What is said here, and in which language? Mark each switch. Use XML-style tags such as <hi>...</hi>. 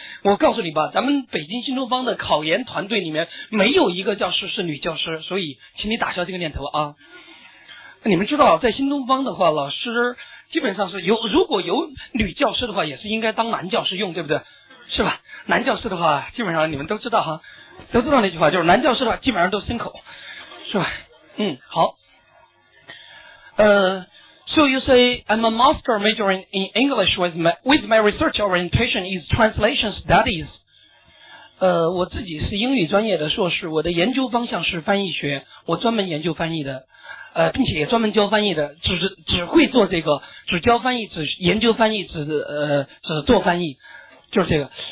<zh>我告诉你吧，咱们北京新东方的考研团队里面没有一个教师是女教师，所以请你打消这个念头啊。你们知道在新东方的话，老师基本上是有，如果有女教师的话也是应该当男教师用，对不对？是吧？男教师的话基本上你们都知道哈，都知道那句话，就是男教师的话基本上都牲口，是吧？嗯，好。</zh> <en>So you say, I'm a master majoring in English with my research orientation is translation studies.</en> <zh>我自己是英语专业的硕士，我的研究方向是翻译学，我专门研究翻译的，并且也专门教翻译的，只会做这个，只教翻译，只研究翻译，只做翻译，就是这个。</zh>